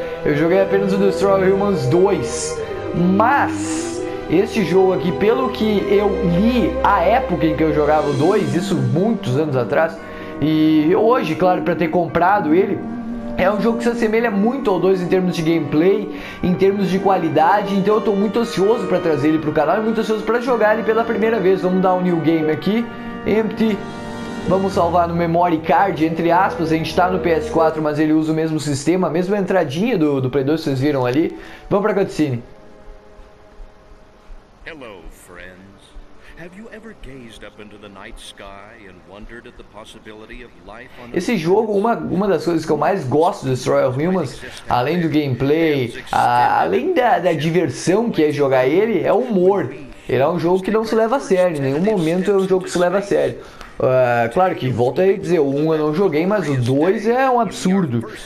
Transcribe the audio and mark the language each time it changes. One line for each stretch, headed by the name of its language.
Portuguese: Eu joguei apenas o Destroy All Humans 2. Mas esse jogo aqui, pelo que eu li a época em que eu jogava o 2, isso muitos anos atrás, e hoje, claro, para ter comprado ele, é um jogo que se assemelha muito ao 2 em termos de gameplay, em termos de qualidade, então eu tô muito ansioso para trazer ele pro canal e muito ansioso para jogar ele pela primeira vez. Vamos dar um new game aqui. Empty. Vamos salvar no memory card, entre aspas. A gente tá no PS4, mas ele usa o mesmo sistema, a mesma entradinha do Play 2, vocês viram ali. Vamos pra cutscene.
English: Hello, friends. Have you ever gazed up into the night sky and wondered at the possibility of life on other
Portuguese: Esse jogo, uma das coisas que eu mais gosto do Destroy All Humans, além do gameplay, além da diversão que é jogar ele, é o humor. Ele é um jogo que não se leva a sério, em nenhum momento é um jogo que se leva a sério. Claro que, volto a dizer, o 1 eu não joguei, mas o 2 é um absurdo.